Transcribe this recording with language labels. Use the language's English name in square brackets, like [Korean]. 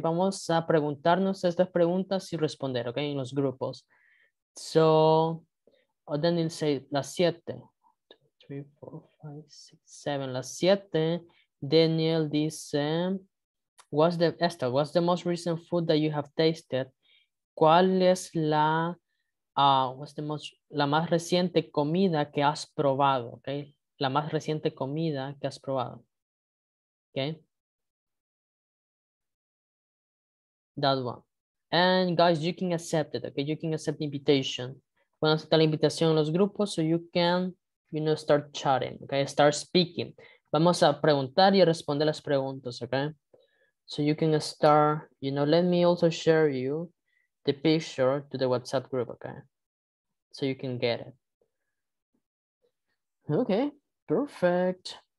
[Spanish] Vamos a preguntarnos estas preguntas y responder, okay? En los grupos. [English] So, then it'll say las 7. [Spanish] 3, 4, 5, 6, 7. Las 7. [English] Daniel dice, What's the most recent food that you have tasted? [Spanish] ¿Cuál es la, la más reciente comida que has probado? Okay. La más reciente comida que has probado. Okay. [English] That one. And guys, you can accept it. Okay. You can accept the invitation. Bueno, acepta la invitación en los grupos, so you can, you know, start chatting, okay? Start speaking. [Spanish] Vamos a preguntar y a responder las preguntas, okay? [English] So you can start, you know, let me also share you the picture to the WhatsApp group, okay? So you can get it. Okay, perfect.